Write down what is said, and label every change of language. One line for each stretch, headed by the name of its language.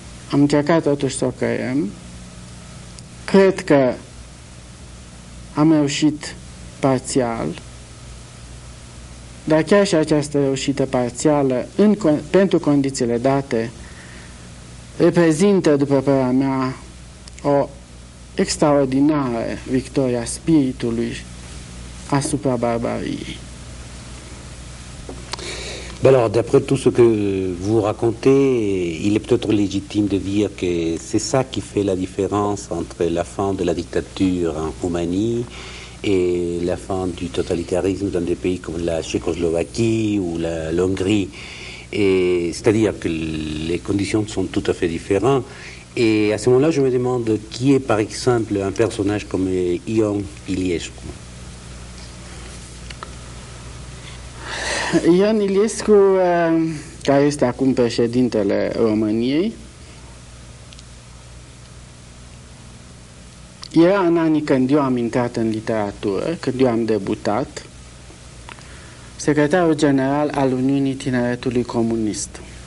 Romanian: Am încercat totuși să o creăm. Cred că am reușit parțial, dar chiar și această reușită parțială pentru condițiile date reprezintă după părerea mea o extraordinară victoria spiritului asupra barbariei.
French: Ben alors, d'après tout ce que vous racontez, il est peut-être légitime de dire que c'est ça qui fait la différence entre la fin de la dictature en Roumanie et la fin du totalitarisme dans des pays comme la Tchécoslovaquie ou la Hongrie. Et c'est-à-dire que les conditions sont tout à fait différentes. Et à ce moment-là, je me demande qui est, par exemple, un personnage comme Ion Iliescu.
Romanian: Ion Iliescu, care este acum președintele României, era în anii când eu am intrat în literatură, când eu am debutat, secretarul general al Uniunii Tineretului Comunist.